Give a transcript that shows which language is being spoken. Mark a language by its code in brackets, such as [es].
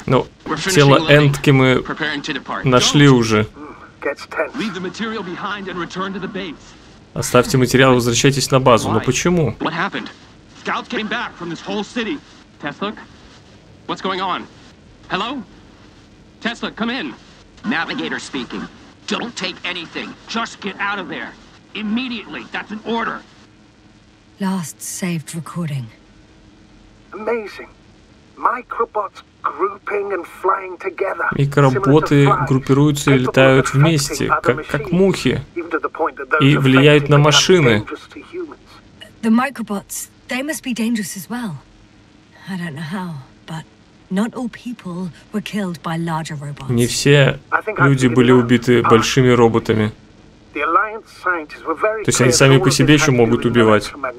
[ru] Ну, тело Антки мы нашли уже. [en] Leave the material behind and return to the base. [ru] Оставьте материал, возвращайтесь на базу. Но почему? [en] What happened? Scouts came back from this whole city. Tasluk? What's going on? Hello? Tasluk, come in. Navigator speaking. Don't take anything. Just get out of there. Immediately. That's an order. Last saved recording. Amazing. Microbots grouping and flying together. [ru] Микроботы группируются и летают вместе, как мухи, и влияют на машины. [en] The microbots, they must be dangerous as well. I don't know how. Not all people were killed by larger robots. [ru] Не все люди были убиты большими роботами. То есть они сами по себе еще могут убивать.